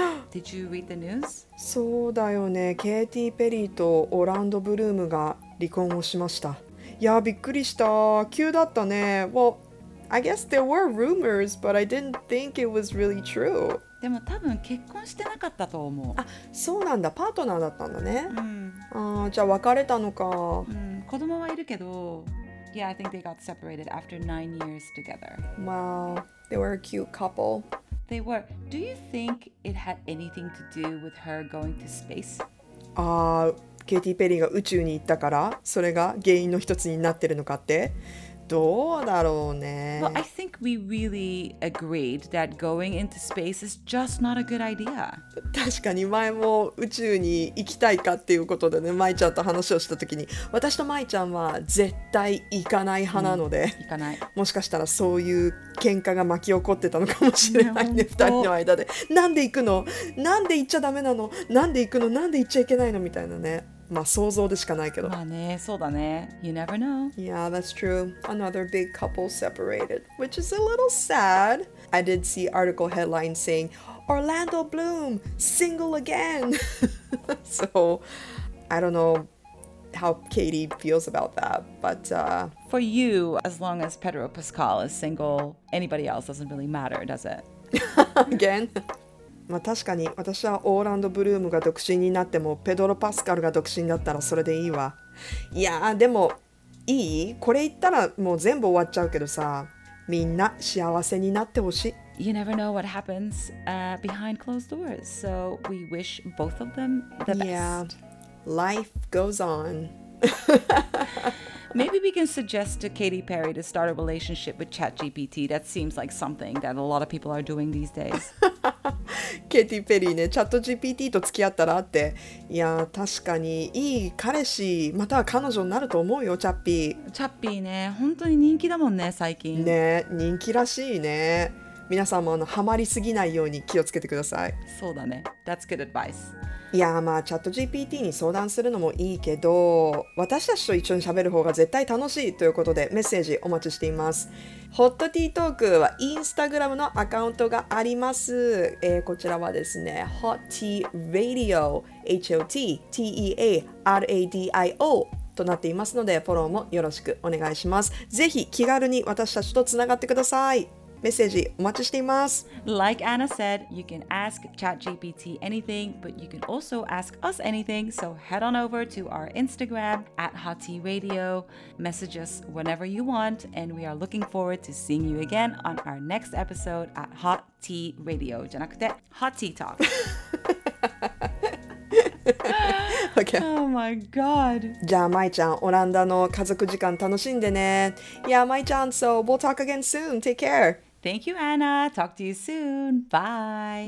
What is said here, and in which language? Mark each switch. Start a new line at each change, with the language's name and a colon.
English: Did you read the news?
Japanese: そうだよね。ケイティ・ペリーとオランド・ブルームが離婚をしました。いや、びっくりした。急だったね。
English: Well, I guess there were rumors, but I didn't think it was really true.
Japanese: でも多分結婚してなかったと思う。あ、そうなんだ。パートナーだったんだね。うん。あ、じゃあ別れたのか。うん。子供はいるけど。
English: Yeah, I think they got separated after 9 years together. Wow, they were a cute couple. They were. Do you think it had anything to do with her going to space?
Japanese: ケイティ・ペリーが宇宙に行ったから、それが原因の一つになってるのかって。どうだろうね。
English: Well, I think we really agreed that going into space is just not a good idea.
Japanese: 確かに前も宇宙に行きたいかっていうことでね、舞ちゃんと話をした時に、私と舞ちゃんは絶対行かない派なので、うん、行かない。もしかしたらそういう喧嘩が巻き起こってたのかもしれないね、二人の間で。なんで行くの？なんで行っちゃダメなの？なんで行くの？なんで行っちゃいけないの？みたいなね。まあ想像でしかないけど。まあね、そうだね。
English: You never know. Yeah, that's true. Another big couple separated, which is a little sad. I did see article headline saying, Orlando Bloom, single again. So, I don't know how Katy feels about that, but... For you, as long as Pedro Pascal is single, anybody else doesn't really matter, does it? Again?
Japanese: まあ、確かに私はオーランド・ブルームが独身になってもペドロ・パスカルが独身だったらそれでいいわ。いやー、でもいい？これ言ったらもう全部終わっちゃうけどさ、みんな幸せになってほしい。
English: You never know what happens behind closed doors, so we wish both of them the best. Yeah, life goes on. Maybe we can suggest to Katy Perry to start a relationship with ChatGPT. That seems like something that a lot of people are doing these days.
Japanese: ケティ・ペリーね、チャット GPT と付き合ったらって、いや確かにいい彼氏または彼女になると思うよ。チャッピー、チャッピーね、本当に人気だもんね最近ね。人気らしいね。皆さんもハマりすぎないように気をつけてください。そうだね、
English: That's good advice。
Japanese: いやまあチャット GPT に相談するのもいいけど、私たちと一緒に喋る方が絶対楽しいということで、メッセージお待ちしています。ホットティートークはインスタグラムのアカウントがあります、こちらはですね、 Hot Tea Radio HOTTEARADIO となっていますので、フォローもよろしくお願いします。ぜひ気軽に私たちとつながってください。メッセージお待ちしています。
English: Like Anna said, you can ask ChatGPT anything, but you can also ask us anything. So head on over to our Instagram at Hot Tea Radio. Message us whenever you want, and we are looking forward to seeing you again on our next episode at Hot Tea Radio.
Japanese: じゃなくて Hot Tea Talk.
English: Okay. Oh my God.
Japanese: じゃあまいちゃん、オランダの家族時間楽しんでね。
English: Yeah, まいちゃん.So we'll talk again soon. Take care. Thank you, Anna. Talk to you soon. Bye.